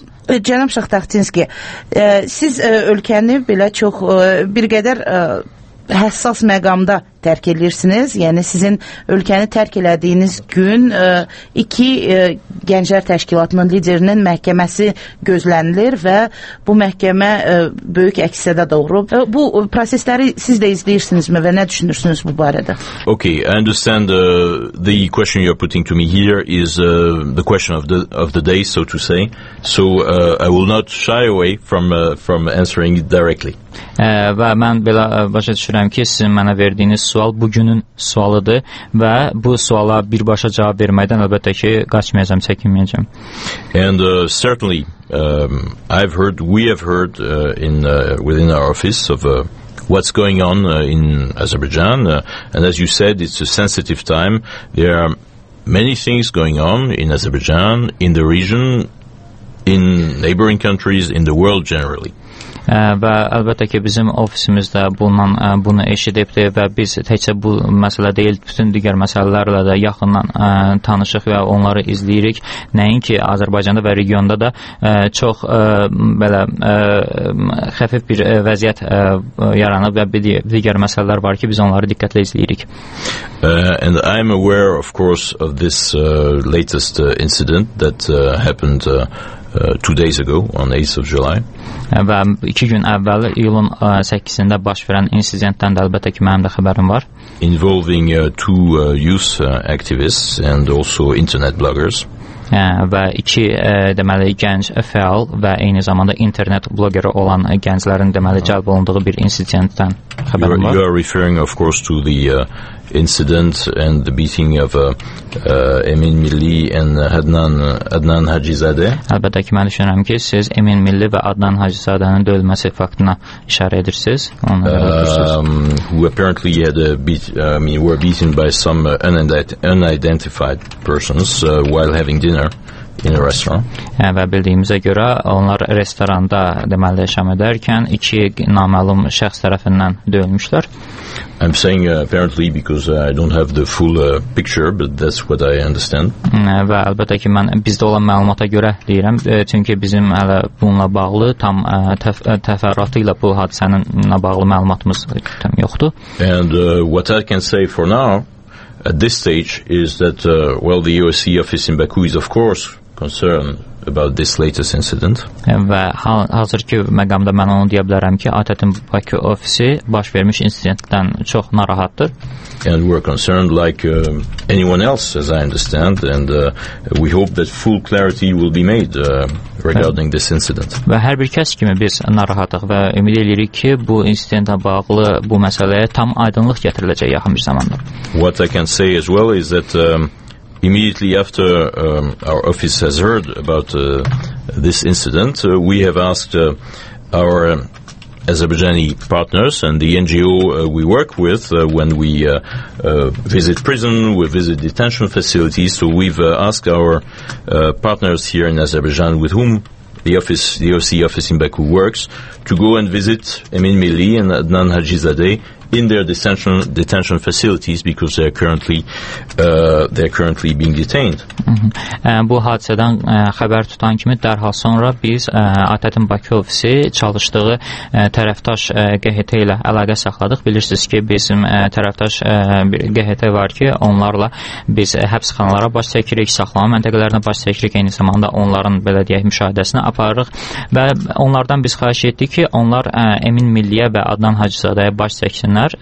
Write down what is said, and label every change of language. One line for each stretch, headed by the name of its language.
Azerbaijani: Cənab Şaxtaxtinski, siz ölkəni belə çox bir qədər həssas məqamda tərk edirsiniz. Yəni, sizin ölkəni tərk elədiyiniz gün iki gənclər təşkilatının liderinin məhkəməsi gözlənilir və bu məhkəmə böyük əksədə doğru. Bu prosesləri siz də izləyirsinizmi və nə düşünürsünüz bu barədə?
English: Okay, I understand the question you're putting to me here is the question of the day, so to say. So I will not shy away from answering it directly.
Azerbaijani: Və mən belə başa düşürəm ki, sizin mənə verdiyiniz sual bugünün sualıdır və bu suala birbaşa cavab verməkdən əlbəttə ki, qaçmayacağım, çəkinməyəcəm.
English: And certainly we have heard within our office of what's going on in Azerbaijan and as you said it's a sensitive time. There are many things going on in Azerbaijan, in the region, in neighboring countries, in the world generally.
Azerbaijani: Və əlbəttə ki, bizim ofisimizdə bunu eşidibdir və biz təkcə bu məsələ deyil, bütün digər məsələlərlə də yaxından tanışıq və onları izləyirik. Nəinki Azərbaycanda və regionda da çox xəfif bir vəziyyət yaranıb və digər məsələlər var ki, biz onları diqqətlə izləyirik.
English: And I am aware, of course, of this latest incident that happened two days ago, on the 8th of July.
Azerbaijani: Və iki gün əvvəl, iyulun 8-də baş verən insidentdən də əlbəttə ki, mənim də xəbərim var.
English: Involving two youth activists and also internet bloggers.
Azerbaijani: Və iki, deməli, gənc fəal və eyni zamanda internet bloggeri olan gənclərin, deməli, cəlb olunduğu bir insidentdən xəbərim var.
English: You are referring, of course, to the incident and the beating of Emin Milli and Adnan Hacizadeh.
Azerbaijani: Əlbəttə ki, mən düşünürəm ki, siz Emin Milli və Adnan Hacizadənin döyülməsi faktına işarə edirsiniz.
English: Who apparently had were beaten by some unidentified persons while having dinner in a restaurant.
Azerbaijani: Və bildiyimizə görə onlar restoranda deməli şam edərkən iki naməlum şəxs tərəfindən döyülmüşlər.
English: I'm saying apparently because I don't have the full picture, but that's what I understand.
Azerbaijani: Və əlbəttə ki, mən bizdə olan məlumata görə deyirəm, çünki bizim hələ bununla bağlı tam təfərrüatı ilə bu hadisənin bağlı məlumatımız tam yoxdur.
English: And what I can say for now, at this stage, is that, the OSC office in Baku is, of course, concerned about this latest incident.
Azerbaijani: Və hazır ki, məqamda mən onu deyə bilərəm ki, ATƏT-in Bakı ofisi baş vermiş incidentdən çox narahatdır.
English: And we're concerned like anyone else, as I understand, and we hope that full clarity will be made regarding this incident.
Azerbaijani: Və hər bir kəs kimi biz narahatıq və ümid edirik ki, bu incidentə bağlı bu məsələyə tam aydınlıq gətiriləcək yaxın bir zamanda.
English: What I can say as well is that immediately after our office has heard about this incident, we have asked our Azerbaijani partners and the NGO we work with when we visit prison, we visit detention facilities, so we've asked our partners here in Azerbaijan with whom the office, the OC office in Baku works, to go and visit Emin Milli and Adnan Hajizadeh in their detention facilities because they are currently being detained.
Azerbaijani: Bu hadisədən xəbər tutan kimi dərhal sonra biz ATƏT-in Bakı ofisi çalışdığı tərəfdaş QHT ilə əlaqə saxladıq. Bilirsiniz ki, bizim tərəfdaş bir QHT var ki, onlarla biz həbsxanalara baş çəkirik, saxlama məntəqələrinə baş çəkirik, eyni zamanda onların belə deyək müşahidəsini aparırıq və onlardan biz xahiş etdik ki, onlar Emin Milliyə və Adnan Hacızadəyə baş çəksin.